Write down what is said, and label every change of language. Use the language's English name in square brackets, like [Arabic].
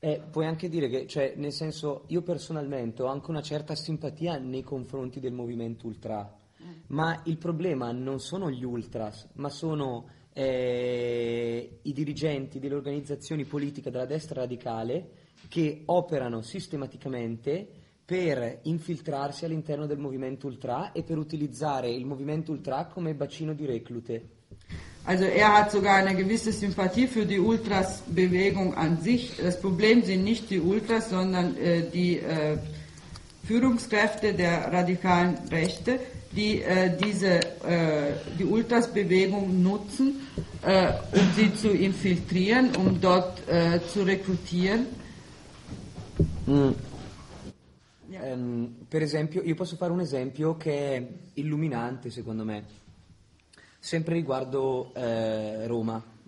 [Italian] Puoi anche dire che, cioè, nel senso, io personalmente ho anche una certa simpatia nei confronti del movimento ultra, ma il problema non sono gli ultras, ma sono i dirigenti delle organizzazioni politiche della destra radicale che operano sistematicamente per infiltrarsi all'interno del movimento ultra e per utilizzare il movimento ultra come bacino di reclute. [German] Also er hat sogar eine gewisse Sympathie für die Ultras-Bewegung an sich. Das Problem sind nicht die Ultras, sondern die Führungskräfte der radikalen Rechte, die die Ultras-Bewegung nutzen, um sie zu infiltrieren, um dort zu rekrutieren. [Italian] Per esempio, io posso fare un esempio che è illuminante, secondo me, sempre riguardo Roma.